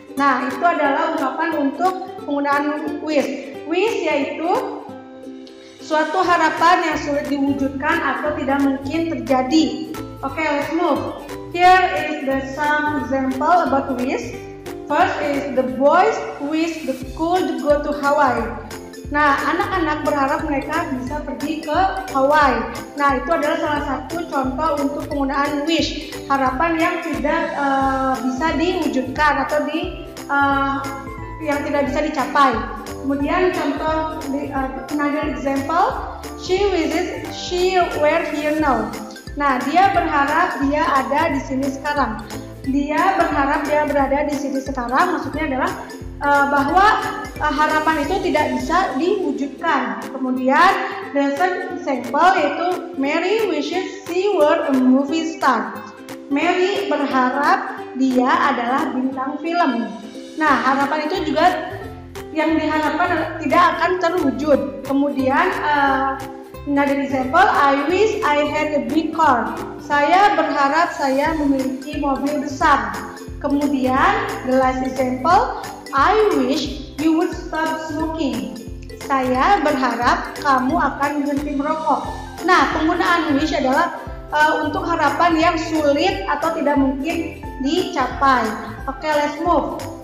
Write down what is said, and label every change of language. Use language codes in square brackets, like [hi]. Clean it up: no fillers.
[id] Nah, itu adalah ungkapan untuk penggunaan wish. Wish yaitu suatu harapan yang sulit diwujudkan atau tidak mungkin terjadi. [en] Okay, let's move. Here is the some example about wish. First is the boys wish the school to go to Hawaii. [id] Nah, anak-anak berharap mereka bisa pergi ke Hawaii. Nah, itu adalah salah satu contoh untuk penggunaan wish, harapan yang tidak bisa diwujudkan atau di yang tidak bisa dicapai. Kemudian contoh di [en] another example, she wishes she were here now. [id] Nah, dia berharap dia ada di sini sekarang. Dia berharap dia berada di sini sekarang, maksudnya adalah bahwa harapan itu tidak bisa diwujudkan. Kemudian [en] next example [id] yaitu [en] Mary wishes she were a movie star. [id] Mary berharap dia adalah bintang film. Nah, harapan itu juga yang diharapkan tidak akan terwujud. Kemudian [en] another example, I wish I had a big car. [id] Saya berharap saya memiliki mobil besar. Kemudian [en] the last example, I wish you would stop smoking. [id] Saya berharap kamu akan berhenti merokok. Nah, penggunaan wish adalah untuk harapan yang sulit atau tidak mungkin dicapai. [en] Okay, let's move.